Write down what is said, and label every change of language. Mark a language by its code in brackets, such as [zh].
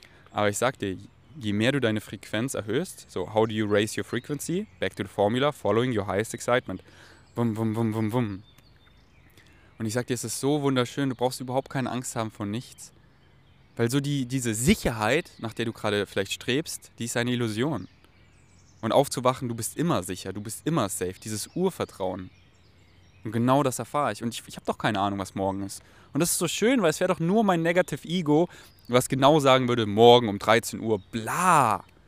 [de] Aber ich sag dir, je mehr du deine Frequenz erhöhst, [en] so how do you raise your frequency? Back to the formula, following your highest excitement. Wum, wum, wum, wum, wum. [de] Und ich sag dir, es ist so wunderschön, du brauchst überhaupt keine Angst haben vor nichts. Weil so diese Sicherheit, nach der du gerade vielleicht strebst, die ist eine Illusion. Und aufzuwachen, du bist immer sicher, du bist immer safe, dieses Urvertrauen. Und genau das erfahre ich. Und ich habe doch keine Ahnung, was morgen ist. Und das ist so schön, weil es wäre doch nur mein Negative Ego, was genau sagen würde, morgen um 13 Uhr, bla.